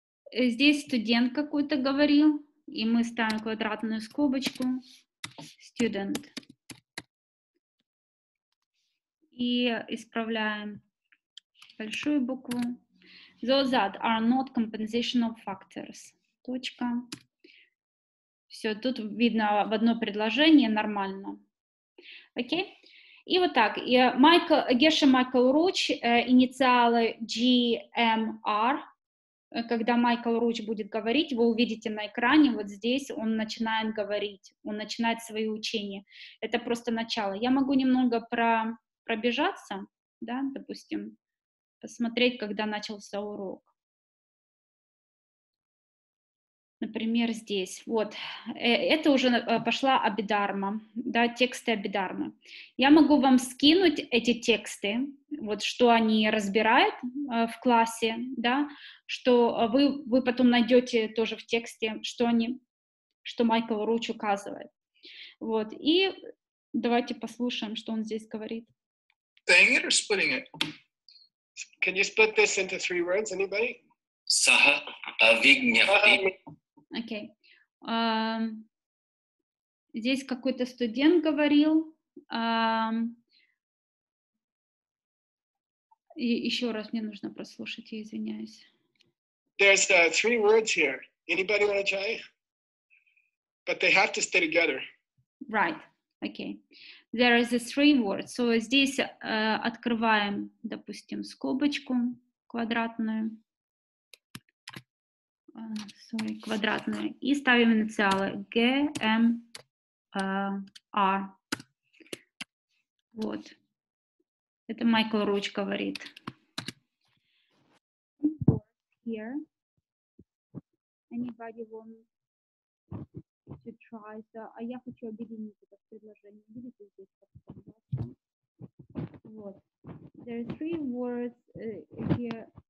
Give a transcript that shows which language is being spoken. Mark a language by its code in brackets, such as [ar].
[ru] Здесь студент какой-то говорил, и мы ставим квадратную скобочку. [en] Student. [ru] И исправляем большую букву. [en] Those that are not compositional factors. [ru] Точка. Все, тут видно в одно предложение нормально. Окей? И вот так. Геша Майкл Руч, инициалы GMR. Когда Майкл Руч будет говорить, вы увидите на экране, вот здесь он начинает говорить, он начинает свои учения. Это просто начало. Я могу немного пробежаться, да, допустим, посмотреть, когда начался урок. Например, здесь. Вот. Это уже пошла Абидарма, да, тексты Абидармы. Я могу вам скинуть эти тексты, вот что они разбирают в классе, да, что вы потом найдете тоже в тексте, что Майкл Руч указывает. Вот. И давайте послушаем, что он здесь говорит. [en] Saying it or splitting it? Can you split this into three words, anybody? [sa] Saha avignyati. [ru] Окей. Здесь какой-то студент говорил. И еще раз мне нужно прослушать, я извиняюсь. [en] There's three words here. Anybody want to try? But they have to stay together. Right. Okay. There is a three words. [ru] So здесь открываем, допустим, скобочку квадратную. Квадратные. И ставим инициалы. GMR. Вот. Это Майкл Руч говорит. [en] Here. Anybody want to try? [ru] А я хочу объединить это предложение. Видите, здесь подсказка. Вот. [en] There are three words here.